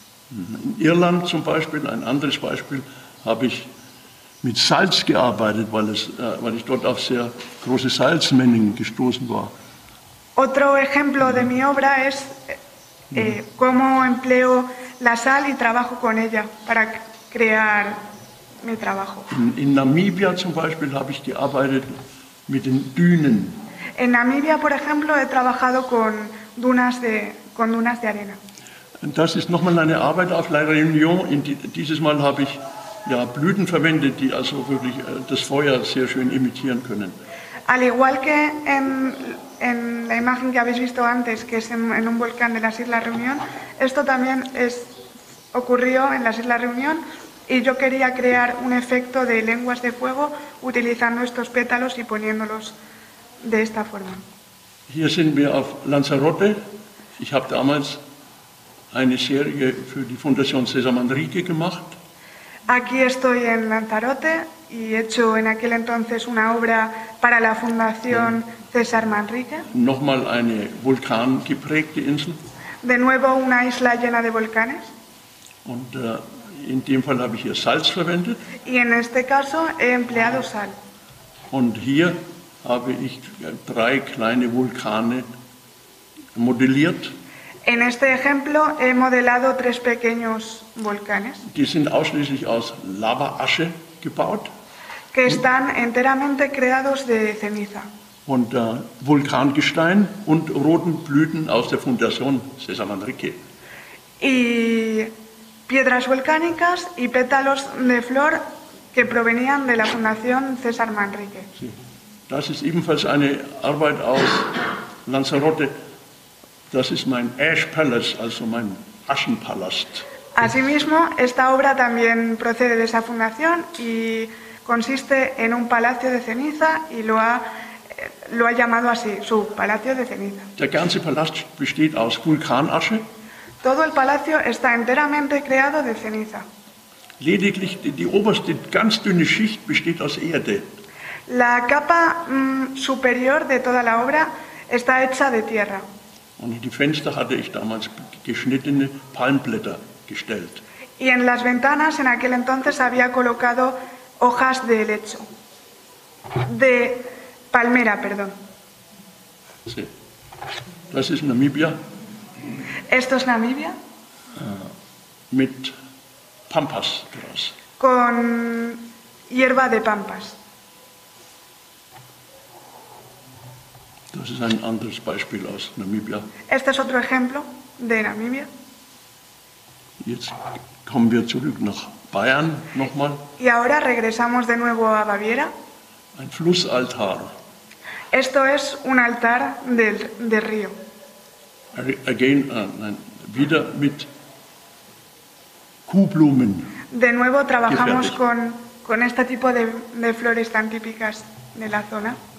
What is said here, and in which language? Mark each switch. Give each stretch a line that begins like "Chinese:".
German: In Irland zum Beispiel, ein anderes Beispiel, habe ich mit Salz gearbeitet, weil ich dort auf sehr große Salzmengen gestoßen war.
Spanish: Otro ejemplo de mi obra es cómo empleo la sal y trabajo con ella para crear mi trabajo.
German: In Namibia zum Beispiel habe ich gearbeitet mit den Dünen.
Spanish: En Namibia, por ejemplo, he trabajado con dunas de arena.
German: Das ist nochmal eine Arbeit auf La Réunion. Dieses Mal habe ich ja Blüten verwendet, die also wirklich das Feuer sehr schön imitieren können.
Spanish: Al igual que en la imagen que habéis visto antes, que es en un volcán de las Islas Reunión, esto también ocurrió en las Islas Reunión y yo quería crear un efecto de lenguas de fuego utilizando estos pétalos y poniéndolos de esta forma.
German: Hier sind wir auf Lanzarote. Ich habe damals eine Serie für die Fundación César Manrique gemacht.
Spanish: Aquí estoy en Lanzarote y he hecho en aquel entonces una obra para la Fundación César Manrique.
German: Nochmal eine vulkangeprägte Insel.
Spanish: De nuevo una isla llena de volcanes.
German: Und in dem Fall habe ich hier Salz verwendet.
Spanish: Y en este caso he empleado sal.
German: Und hier habe ich drei kleine Vulkane modelliert.
Spanish: En este ejemplo he modelado tres pequeños volcanes.
German: Die sind ausschließlich aus Lavaasche gebaut.
Spanish: Que están enteramente creados de ceniza.
German: Und Vulkangestein und roten Blüten aus der Fundación César Manrique.
Spanish: Y piedras volcánicas y pétalos de flor que provenían de la Fundación César Manrique. Sí.
German: Das ist ebenfalls eine Arbeit aus Lanzarote. Das ist mein Ash Palace, also mein Aschenpalast.
Spanish: Asimismo, esta obra también procede de esa fundación y consiste en un palacio de ceniza y lo ha llamado así, su palacio de ceniza.
German: Der ganze Palast besteht aus Vulkanasche.
Spanish: Todo el palacio está enteramente creado de ceniza.
German: Lediglich die oberste ganz dünne Schicht besteht aus Erde.
Spanish: La capa superior de toda la obra está hecha de tierra.
German: Und in die Fenster hatte ich damals geschnittene Palmblätter gestellt.
Spanish: Y en las ventanas en aquel entonces había colocado hojas de helecho. De palmera, perdón.
German: Sí. Das ist Namibia.
Spanish: Esto es Namibia.
German: Mit Pampas Gras.
Spanish: Con hierba de pampas.
German: Das ist ein anderes Beispiel aus Namibia.
Spanish: Este es otro ejemplo de Namibia.
German: Jetzt kommen wir zurück nach Bayern nochmal.
Spanish: Y ahora regresamos de nuevo a Baviera.
German: Ein Flussaltar.
Spanish: Esto es un altar del de río.
German: Again, wieder mit Kuhblumen.
Spanish: De nuevo trabajamos con este tipo de flores tan típicas de la zona.